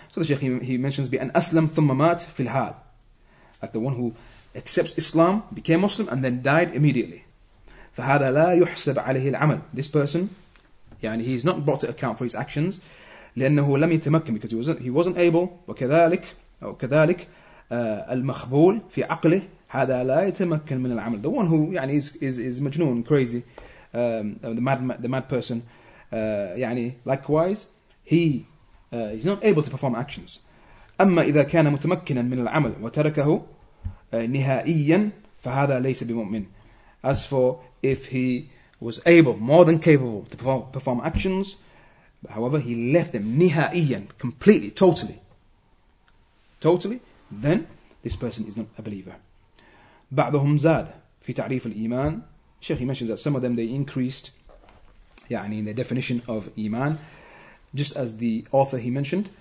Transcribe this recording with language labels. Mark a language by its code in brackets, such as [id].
[en] So the sheikh, he mentions, [ar] bi an aslam thumma mat fil hal, [en] like the one who accepts Islam, became Muslim, and then died immediately. [ar] فَهَذَا لَا يُحْسَبْ عَلَيْهِ الْعَمَلِ. [en] This person, yani, he is not brought to account for his actions, [ar] لِأَنَّهُ لَمْ يَتَمَكِّنْ, [en] because he wasn't able. [ar] وَكَذَلِكَ المخبول في عقله هذا لا يتمكن من العمل. [en] The one who, يعني, is majnoon, crazy, the mad person, يعني, likewise, he's not able to perform actions. [ar] أما إذا كان متمكنا من العمل وتركه نهائيا فهذا ليس بمؤمن. [en] As for if he was able, more than capable, to perform actions, however, he left them نهائيا, completely, totally. Then this person is not a believer. [ar] بعضهم زاد في تعريف الإيمان. [en] Sheikh, he mentions that some of them, they increased, يعني, in the definition of iman, just as the author he mentioned.